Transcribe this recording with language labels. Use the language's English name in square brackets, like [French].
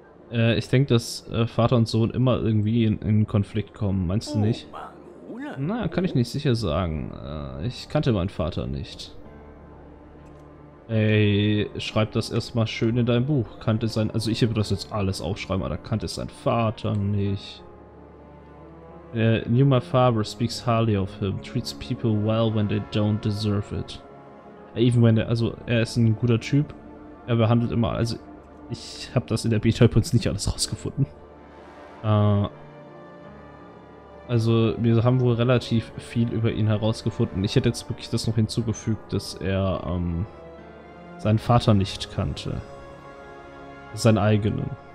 [German] Ich denke, dass Vater und Sohn immer irgendwie in Konflikt kommen. Meinst du nicht? Na, kann ich nicht sicher sagen. Ich kannte meinen Vater nicht. Ey, schreib das erstmal schön in dein Buch. Kannte sein. Also ich würde das jetzt alles aufschreiben, aber kannte sein Vater nicht. [English] Knew my father, speaks highly of him, treats people well when they don't deserve it. Even when [German] er ist ein guter Typ. Er behandelt immer. Also ich habe das in der Beta nicht alles rausgefunden. Also wir haben wohl relativ viel über ihn herausgefunden. Ich hätte jetzt wirklich das noch hinzugefügt, dass er seinen Vater nicht kannte. Seinen eigenen.